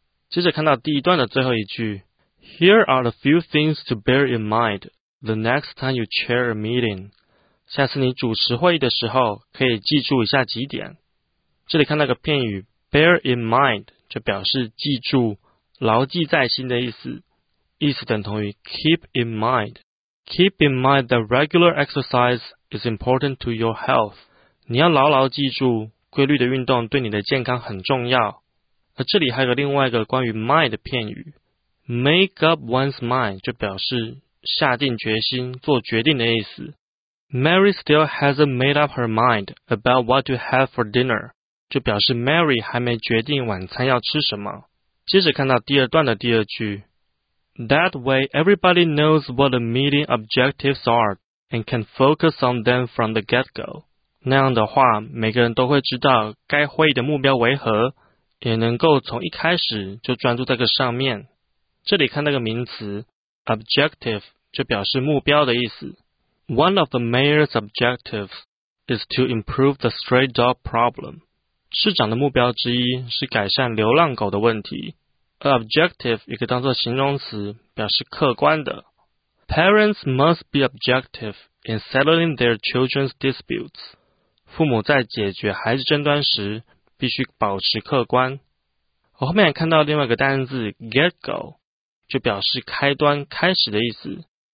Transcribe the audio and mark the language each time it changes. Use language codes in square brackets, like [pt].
[zh] 接着看到第一段的最后一句 [en] Here are a few things to bear in mind the next time you chair a meeting. [zh] 下次你主持会议的时候可以记住一下几点。这里看到个片语 [en] bear in mind, [zh] 就表示记住牢记在心的意思。意思等同于 [en] keep in mind。 Keep in mind that regular exercise is important to your health. [zh] 你要牢牢记住，规律的运动对你的健康很重要。而这里还有另外一个关于 mind 的片语 ， [en] make up one's mind [zh] 就表示下定决心、做决定的意思。 [en] Mary still hasn't made up her mind about what to have for dinner. [zh] 就表示 Mary 还没决定晚餐要吃什么。接着看到第二段的第二句。 [en] That way everybody knows what the meeting objectives are and can focus on them from the get-go. [zh] 那样的话每个人都会知道该会议的目标为何，也能够从一开始就专注在这个上面。这里看那个名词 objective 就表示目标的意思。 [en] One of the mayor's objectives is to improve the stray dog problem. [zh] 市长的目标之一是改善流浪狗的问题。而 objective 也可以当作形容词，表示客观的。 [en] Parents must be objective in settling their children's disputes. [zh] 父母在解决孩子争端时，必须保持客观。我后面也看到另外一个单字 get go， 就表示开端、开始的意思。